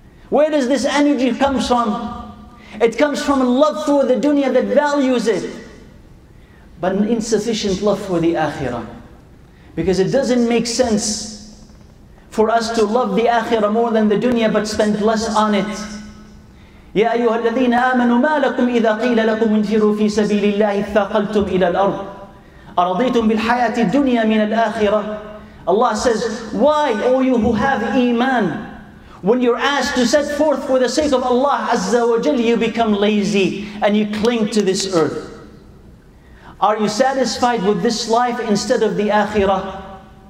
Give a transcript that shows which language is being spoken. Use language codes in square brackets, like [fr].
[en] Where does this energy come from? It comes from a love for the dunya that values it, but an insufficient love for the akhirah. Because it doesn't make sense for us to love the akhirah more than the dunya but spend less on it. [ar] يا أيها الذين آمنوا ما لكم إذا قيل لكم انفروا في سبيل الله اثاقلتم إلى الأرض أرضيتم بالحياة الدنيا من الآخرة. [en] Allah says, why, O you who have iman, when you're asked to set forth for the sake of Allah Azza wa Jal, you become lazy and you cling to this earth. Are you satisfied with this life instead of the Akhirah?